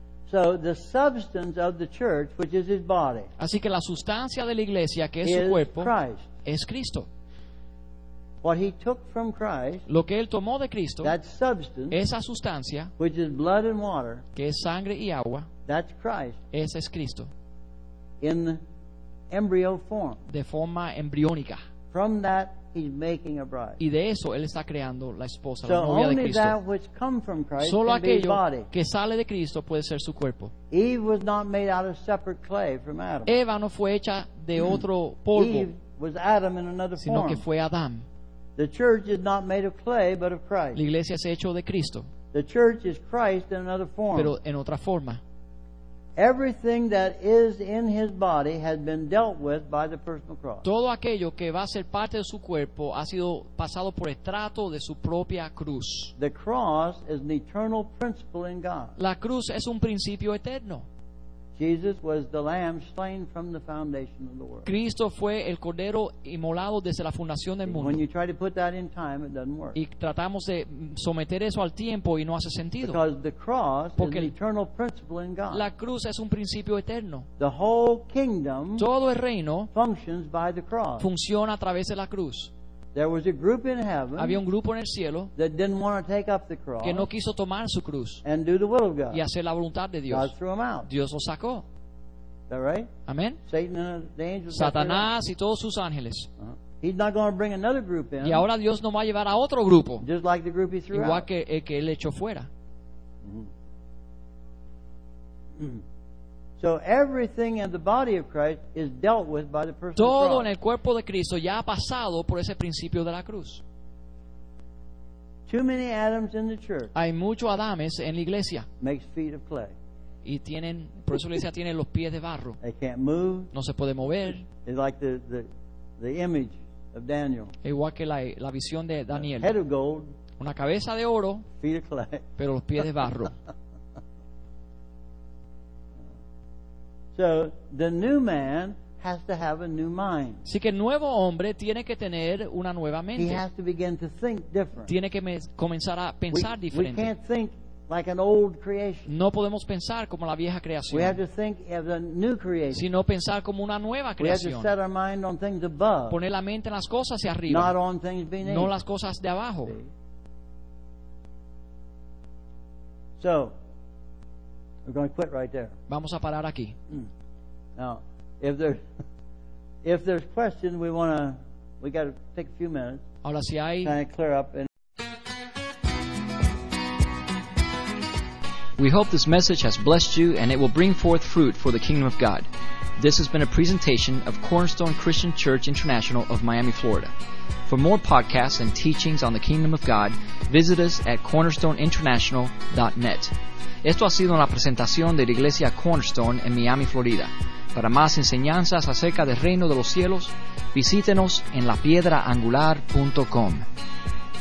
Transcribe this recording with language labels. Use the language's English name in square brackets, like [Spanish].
[English] So the substance of the church, which is his body. [Spanish] Así que la sustancia de la iglesia, que es su cuerpo, [English] Christ. [Spanish] Es Cristo. [English] What he took from Christ. [Spanish] Lo que él tomó de Cristo. [English] That substance. [Spanish] Esa sustancia, [English] which is blood and water. [Spanish] Que es sangre y agua. [English] That's Christ. [Spanish] Ese es Cristo. [English] In embryo form. [Spanish] De forma embriónica. [English] From that he's making a bride. [Spanish] Y de eso él está creando la esposa, [English] so [Spanish] la novia [English] only [Spanish] de Cristo. [English] That which come from Christ. [Spanish] Solo [English] can [Spanish] aquello [English] be his body. [Spanish] Que sale de Cristo puede ser su cuerpo. [English] Eve was not made out of separate clay from Adam. [Spanish] Eva no fue hecha de otro polvo. [English] Eve was Adam in another [Spanish] sino [English] form. [Spanish] Que fue Adán. [English] The church is not made of clay but of Christ. [Spanish] La iglesia es hecho de Cristo. [English] The church is Christ in another form. [Spanish] Pero en otra forma. [English] Everything that is in his body has been dealt with by the personal cross. [Spanish] Todo aquello que va a ser parte de su cuerpo ha sido pasado por el trato de su propia cruz. [English] The cross is an eternal principle in God. [Spanish] La cruz es un principio eterno. [English] Jesus was the lamb slain from the foundation of the world. [Spanish] Cristo fue el cordero inmolado desde la fundación del mundo. [English] When you try to put that in time, it doesn't work. [Spanish] Y tratamos de someter eso al tiempo y no hace sentido. [English] Because the cross is an eternal principle in God. [Spanish] La cruz es un principio eterno. [English] The whole kingdom, [Spanish] todo el reino, [English] functions by the cross. [Spanish] Funciona a través de la cruz. [English] There was a group in heaven. [Spanish] Había un grupo en el cielo [English] that didn't want to take up the cross. [Spanish] Que no quiso tomar su cruz. [English] And do the will of God. [Spanish] Y hacer la voluntad de Dios. [English] God threw them out. [Spanish] Dios los sacó. [English] Is that right? [Spanish] Amen. [English] Satan and the angels. [Spanish] Satanás y todos sus ángeles. [English] He's not going to bring another group in. [Spanish] Y ahora Dios no va a llevar a otro grupo. [English] Just like the group he threw out. [Spanish] Igual que el que él echó fuera. [English] So everything in the body of Christ is dealt with by the personal cross. [Spanish] Todo en el cuerpo de Cristo ya ha pasado por ese principio de la cruz. [English] Too many Adams in the church. [Spanish] Hay muchos Adames en la iglesia. [English] Makes feet of clay. [Spanish] Y tienen, por eso la iglesia tiene los pies de barro. [English] They can't move. [Spanish] No se puede mover. [English] It's like the image of Daniel. [Spanish] Igual que la visión de Daniel. [English] A head of gold. [Spanish] Una cabeza de oro. [English] Feet of clay. [Spanish] Pero los pies de barro. [English] So the new man has to have a new mind. [Spanish] Así que el nuevo hombre tiene que tener una nueva mente. [English] He has to begin to think different. [Spanish] Tiene que comenzar a pensar diferente. [English] We can't think like an old creation. [Spanish] No podemos pensar como la vieja creación. [English] We have to think of a new creation. [Spanish] Sino pensar como una nueva creación. [English] We have to set our mind on things above. [Spanish] Poner la mente en las cosas hacia arriba. [English] Not on things beneath. [Spanish] No las cosas de abajo. [English] See? So we're going to quit right there. [Spanish] Vamos a parar aquí. [English] Now, if there's questions, we got to take a few minutes. [Spanish] Ahora si hay, [English] kind of clear up. And we hope this message has blessed you and it will bring forth fruit for the kingdom of God. This has been a presentation of Cornerstone Christian Church International of Miami, Florida. For more podcasts and teachings on the kingdom of God, visit us at cornerstoneinternational.net. [Spanish] Esto ha sido una presentación de la Iglesia Cornerstone en Miami, Florida. Para más enseñanzas acerca del reino de los cielos, visítenos en lapiedraangular.com.